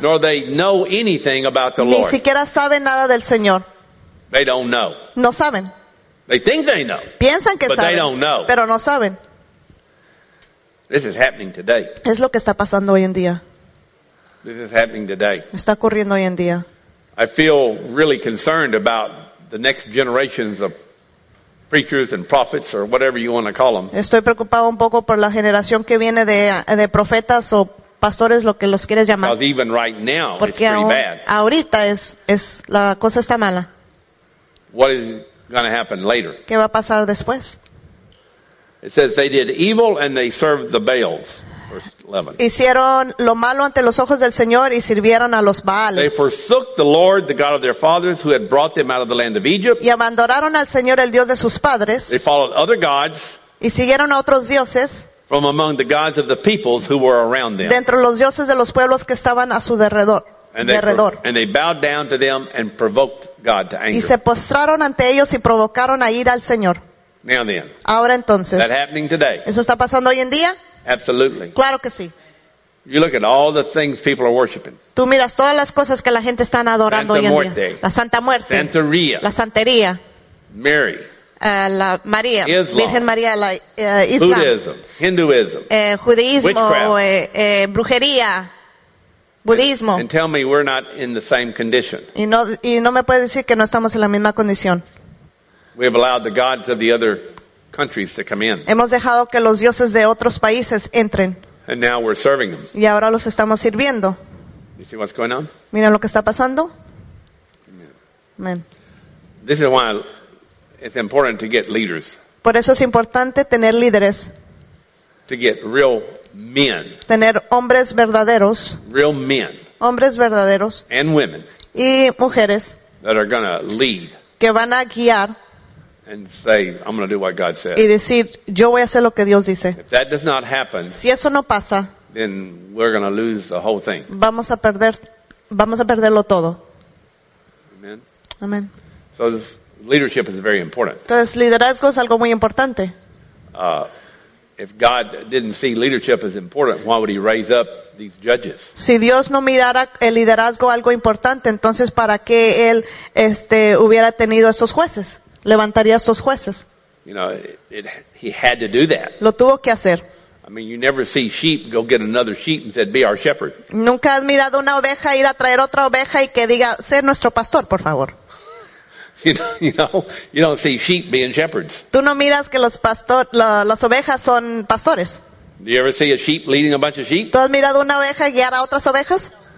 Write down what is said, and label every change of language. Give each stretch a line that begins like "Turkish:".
English: nor they know anything about the
Spanish: ni
English: Lord.
Spanish: Siquiera saben nada del Señor.
English: They don't know.
Spanish: No saben.
English: They think they know.
Spanish: Piensan que
English: but
Spanish: saben,
English: they don't know.
Spanish: Pero no saben.
English: This is happening today.
Spanish: Es lo que está pasando hoy en día.
English: This is happening today.
Spanish: Está ocurriendo hoy en día.
English: I feel really concerned about the next generations of preachers and prophets or whatever you want to call them.
Spanish: Estoy preocupado un poco por la generación que viene de profetas o pastores, lo que los quieres llamar.
English: Because even right now,
Spanish: porque
English: it's pretty bad.
Spanish: Ahorita es la cosa está mala.
English: What is going to happen later?
Spanish: ¿Qué va a pasar después?
English: It says they did evil and they served the Baals.
Spanish: Hicieron lo malo ante los ojos del Señor y sirvieron a los Baales.
English: They forsook the Lord, the God of their fathers, who had brought them out of the land of Egypt.
Spanish: Y abandonaron al Señor, el Dios de sus padres.
English: They followed other gods.
Spanish: Y siguieron a otros dioses.
English: From among the gods of the peoples who were around them.
Spanish: Dentro de los dioses de los pueblos que estaban a su derredor.
English: And they bowed down to them and provoked God to anger.
Spanish: Y se postraron ante ellos y provocaron a ira al Señor.
English: Now then.
Spanish: Ahora entonces.
English: That happening today.
Spanish: Eso está pasando hoy en día.
English: Absolutely.
Spanish: Claro que sí.
English: You look at all the things people are worshiping.
Spanish: Tú miras todas las cosas que la gente están adorando hoy en día. La Santa Muerte. Santería. La Santería.
English: Mary.
Spanish: La María.
English: Islam.
Spanish: Virgen María. La Islam.
English: Buddhism. Hinduism.
Spanish: Judaísmo.
English: Witchcraft.
Spanish: Brujería. Budismo.
English: And tell me we're not in the same condition.
Spanish: Y no me puedes decir que no estamos en la misma condición.
English: We have allowed the gods of the other countries to come in.
Spanish: Hemos dejado que los dioses de otros países entren.
English: And now we're serving them.
Spanish: Y ahora los estamos sirviendo.
English: You see what's going on?
Spanish: Miren lo que está pasando.
English: Amen. This is why it's important to get leaders.
Spanish: Por eso es importante tener líderes.
English: To get real men.
Spanish: Tener hombres verdaderos.
English: Real men.
Spanish: Hombres verdaderos.
English: And women.
Spanish: Y mujeres.
English: That are going to lead.
Spanish: Que van a guiar.
English: And say, I'm going to do what God says.
Spanish: Y decir, yo voy a hacer lo que Dios dice.
English: If that does not happen,
Spanish: si eso no pasa,
English: then we're going to lose the whole thing.
Spanish: Vamos a perderlo todo.
English: Amen.
Spanish: Amen.
English: So this leadership is very important.
Spanish: Entonces, liderazgo es algo muy importante.
English: If God didn't see leadership as important, why would He raise up these judges?
Spanish: Si Dios no mirara el liderazgo algo importante, entonces para qué él hubiera tenido estos jueces? Levantaría estos jueces.
English: You know, he had to do that.
Spanish: Lo tuvo que hacer.
English: I mean, you never see sheep go get another sheep and said, "Be our shepherd."
Spanish: Nunca has mirado una oveja ir a traer otra oveja y que diga, "Sé nuestro pastor, por favor."
English: You don't see sheep being shepherds.
Spanish: Tú no miras que las ovejas son pastores.
English: Do you ever see a sheep leading a bunch of sheep?
Spanish: ¿Tú has mirado una oveja guiar a otras ovejas?